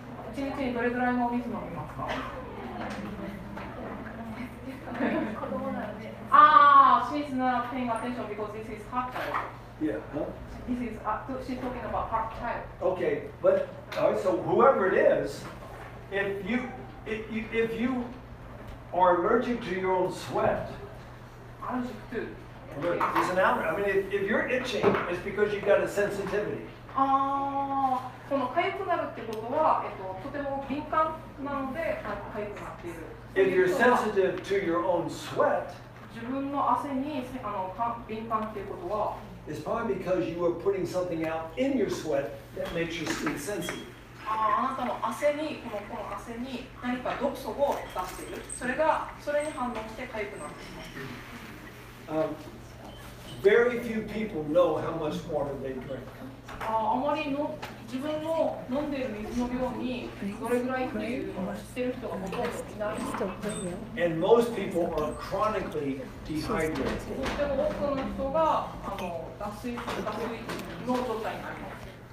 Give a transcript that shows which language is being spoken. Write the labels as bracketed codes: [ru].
[ja] 1日にどれくらいのお水飲みますか？ [en] she's not paying attention because this is hot child. Yeah, huh? This is, she's talking about hot child. Okay, but, alright, so whoever it is, if you are allergic to your own sweat, allergic to? It's an allergy. I mean, if you're itching, it's because you've got a sensitivity. [ja] この痒くなるってことは、とても敏感なので痒くなっている。 [en] If you're sensitive to your own sweat, [ja] 自分の汗に敏感っていうことは、 [en] it's probably because you are putting something out in your sweat that makes your skin sensitive. [ja] あなたの汗に、この汗に何か毒素を出している。それに反応して痒くなってしまう。 [en] Very few people know how much water they drink. [ja] あまりの自分の飲んでる水の量にどれぐらいっていうのを知ってる人がほとんどいない。 [en] And most people are chronically dehydrated. [ja] とても多くの人が脱水の状態になります。